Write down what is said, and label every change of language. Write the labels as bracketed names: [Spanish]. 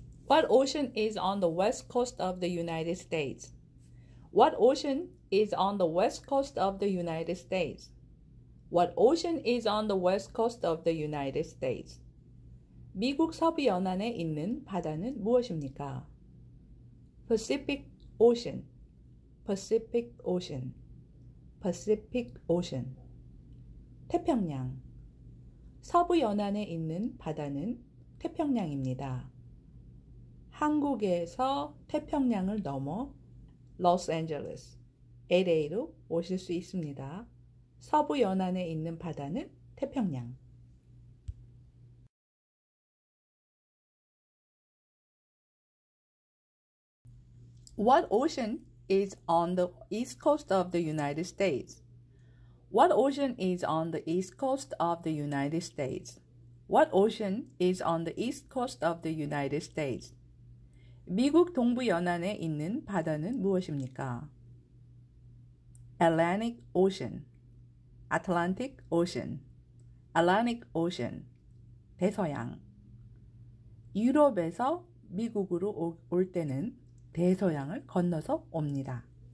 [English] What ocean is on the west coast of the United States? What ocean is on the west coast of the United States? What ocean is on the west coast of the United States? [Korean] 미국 서부 연안에 있는 바다는 무엇입니까? [English] Pacific Ocean. Pacific Ocean. Pacific Ocean. 태평양. [Korean] 서부 연안에 있는 바다는 태평양입니다. 한국에서 태평양을 넘어 로스앤젤레스, LA로 오실 수 있습니다. 서부 연안에 있는 바다는 태평양. [English] What ocean is on the east coast of the United States? What ocean is on the east coast of the United States? What ocean is on the east coast of the United States? [Korean] 미국 동부 연안에 있는 바다는 무엇입니까? [English] Atlantic Ocean. Atlantic Ocean. Atlantic Ocean. 대서양. [Korean] 유럽에서 미국으로 올 때는 대서양을 건너서 옵니다.